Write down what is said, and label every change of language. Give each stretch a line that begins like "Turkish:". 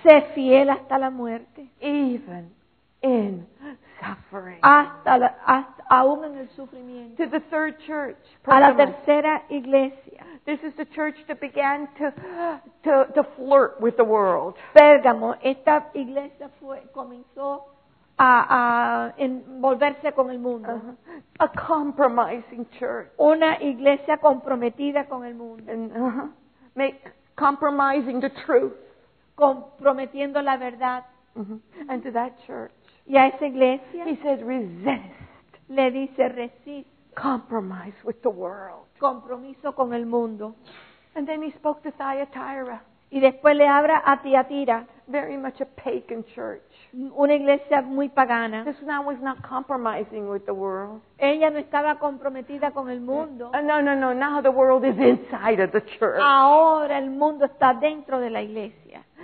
Spanish: Sé fiel hasta la muerte.
English: Even in suffering.
Spanish: Aún en el sufrimiento.
English: To the third church.
Spanish: A la tercera iglesia.
English: This is the church that began to flirt with the world.
Spanish: Pérgamo. Esta iglesia comenzó a envolverse con el mundo.
English: A compromising church.
Spanish: Una iglesia comprometida con el mundo.
English: Compromising the truth.
Spanish: Comprometiendo la verdad.
English: Mm-hmm. And to that church.
Spanish: Y a esa iglesia.
English: He says resist.
Spanish: Le dice
English: resist. Compromise with the world.
Spanish: Compromiso con el mundo.
English: And then he spoke to Thyatira.
Spanish: Y después le habla a Tiatira.
English: Very much a pagan church.
Spanish: Una iglesia muy pagana.
English: This one was not compromising with the world.
Spanish: Ella no estaba comprometida con el mundo.
English: No. Now the world is inside of the church.
Spanish: Ahora el mundo está dentro de la iglesia.